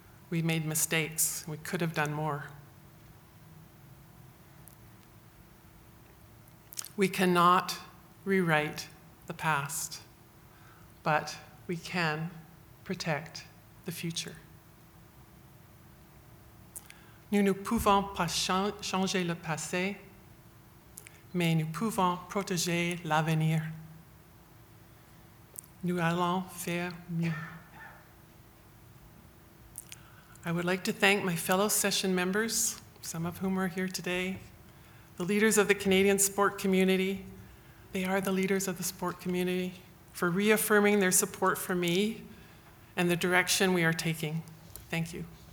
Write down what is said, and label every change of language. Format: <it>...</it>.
<en>We made mistakes. We could have done more. We cannot rewrite the past, but we can protect the future.</en> <fr>Nous ne pouvons pas changer le passé, mais nous pouvons protéger l'avenir. Nous allons faire mieux.</fr> <en>I would like to thank my fellow session members, some of whom are here today, the leaders of the Canadian sport community. They are the leaders of the sport community, for reaffirming their support for me and the direction we are taking. Thank you.</en>